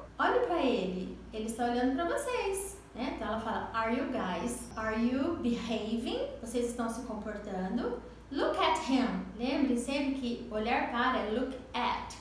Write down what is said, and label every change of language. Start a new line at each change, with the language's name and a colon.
Portuguese: Olhe pra ele, ele está olhando pra vocês. Né? Então ela fala,
English: are you guys, are you behaving?
Portuguese: Vocês estão se comportando?
English: Look at him.
Portuguese: Lembre sempre que olhar para é look at.